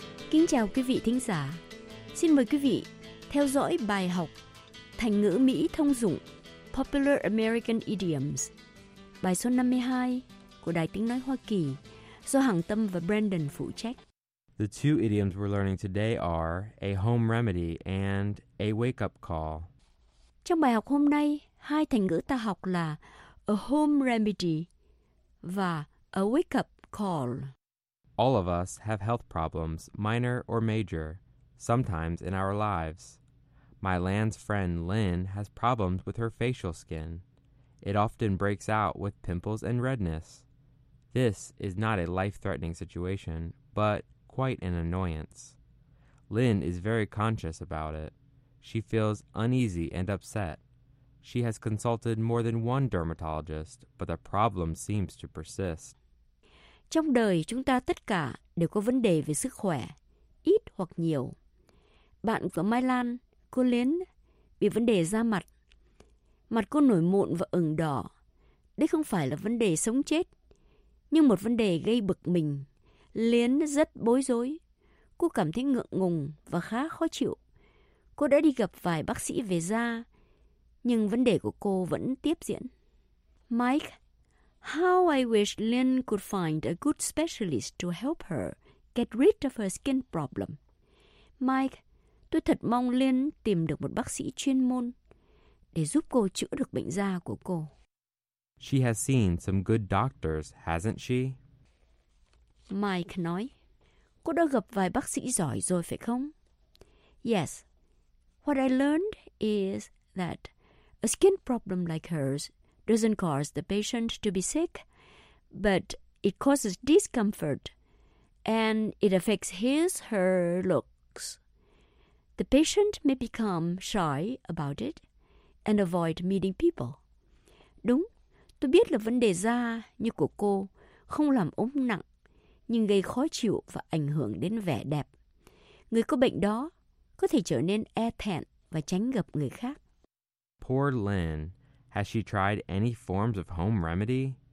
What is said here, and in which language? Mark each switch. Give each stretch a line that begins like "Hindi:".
Vietnamese: Kính chào quý vị thính giả. Xin mời quý vị theo dõi bài học thành ngữ Mỹ thông dụng Popular American Idioms, bài số 52 của Đài Tiếng Nói Hoa Kỳ do Hằng Tâm và Brandon phụ trách.
English: The two idioms we're learning today are a home remedy and a wake-up call.
Vietnamese: Trong bài học hôm nay, hai thành ngữ ta học là a home remedy và a wake-up call.
English: All of us have health problems, minor or major, sometimes in our lives. My land's friend Lynn has problems with her facial skin. It often breaks out with pimples and redness. This is not a life-threatening situation, but quite an annoyance. Lynn is very conscious about it. She feels uneasy and upset. She has consulted more than one dermatologist, but the problem seems to persist.
Vietnamese: Trong đời, chúng ta tất cả đều có vấn đề về sức khỏe, ít hoặc nhiều. Bạn của Mai Lan, cô Lynn, bị vấn đề da mặt. Mặt cô nổi mụn và ửng đỏ. Đây không phải là vấn đề sống chết, nhưng một vấn đề gây bực mình. Lynn rất bối rối. Cô cảm thấy ngượng ngùng và khá khó chịu. Cô đã đi gặp vài bác sĩ về da, nhưng vấn đề của cô vẫn tiếp diễn.
English: Mike, how I wish Lynn could find a good specialist to help her get rid of her skin problem.
Vietnamese: Mike, tôi thật mong Lynn tìm được một bác sĩ chuyên môn để giúp cô chữa được bệnh da của cô.
English: She has seen some good doctors, hasn't she?
Vietnamese: Mike nói, cô đã gặp vài bác sĩ giỏi rồi phải không?
English: Yes. What I learned is that a skin problem like hers doesn't cause the patient to be sick, but it causes discomfort and it affects his, her looks. The patient may become shy about it and avoid meeting people.
Vietnamese: Đúng, tôi biết là vấn đề da như của cô không làm ốm nặng, nhưng gây khó chịu và ảnh hưởng đến vẻ đẹp. Người có bệnh đó có thể trở nên e thẹn và tránh gặp người khác.
English: Poor Lynn, has she tried any forms of home remedy?